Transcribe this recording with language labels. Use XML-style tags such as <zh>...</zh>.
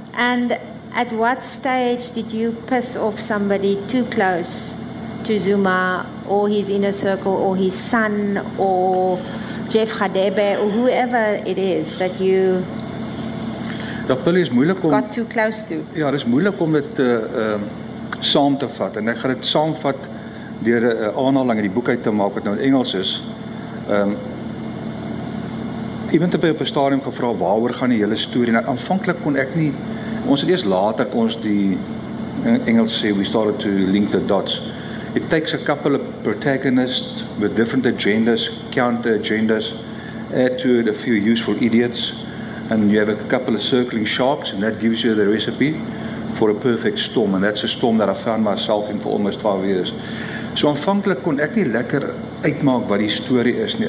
<en>And at what stage did you piss off somebody too close to Zuma or his inner circle or his son or Jeff Radebe or whoever it is that you got too close to?</en> <af>Ja, dit is moeilik om dit saam te vat. En ek gaan dit saamvat deur 'n aanhaling in die boek uit te maak wat nou in Engels is. Iemand het by op 'n stadium gevra waaroor gaan die hele storie. Nou, aanvanklik kon ek nie, ons het eers later kon ons die in Engels sê,</af> <en>we started to link the dots. It takes a couple of protagonists with different agendas, counter agendas, add to it a few useful idiots, and you have a couple of circling sharks, and that gives you the recipe for a perfect storm, and that's a storm that I found myself in for almost 5 years.</en> <af>So aanvanklik kon ek nie lekker uitmaak wat die story is nie.</af>